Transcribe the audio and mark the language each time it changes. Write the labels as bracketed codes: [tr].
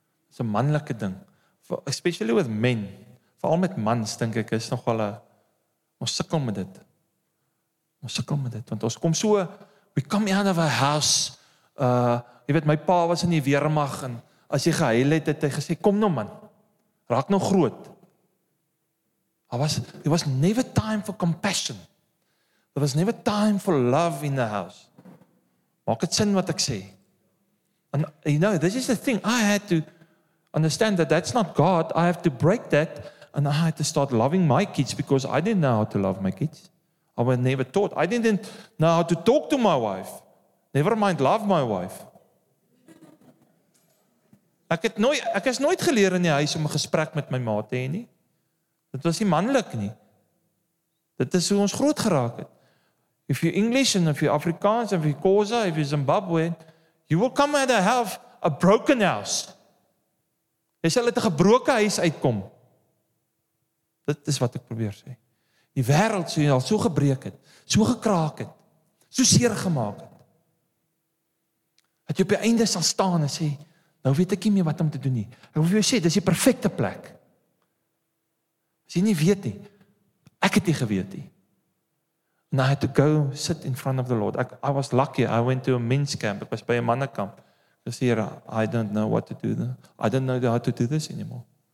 [af] is 'n manlike ding. [en] Especially with men. [af] Vooral met mans, dink ek, is nog wel 'n ons sukkel met dit. Ons sukkel met dit, want ons kom so, [en] we come out of a house. [af] Jy weet, my pa was in die weermag, en as jy gehuil het, het hy gesê, kom nou man, raak nou groot. [en] There was never time for compassion. There was never time for love in the house. [af] Maak het sin wat ek sê. [en] And you know, this is the thing, I had to understand that that's not God, I have to break that, and I had to start loving my kids, because I didn't know how to love my kids. I was never taught. I didn't know how to talk to my wife. Never mind love my wife. [af] Ek is nooit geleer in die huis om 'n gesprek met my ma te hê nie. Dit was nie manlik nie. Dit is hoe ons groot geraak het. [en] If you're English and if you're Afrikaans and if you're Khoza, if you're Zimbabwe, you will come out of have a broken house. [af] Jy sal uit 'n gebroke huis uitkom. Dit is wat ek probeer sê. Die wêreld sou al so gebreek het, so gekraak het, so seer gemaak het. Dat jy op die einde sal staan en sê, nou weet ek nie meer wat om te doen nie. Ek wil vir jou sê, dis die perfekte plek. As jy nie weet nie, ek het nie geweet nie. [en] And I had to go sit in front of the Lord. I was lucky, I went to a men's camp, [af] ek was by 'n mannekamp. Ek sê, Here, [en] I don't know what to do. I don't know how to do this anymore.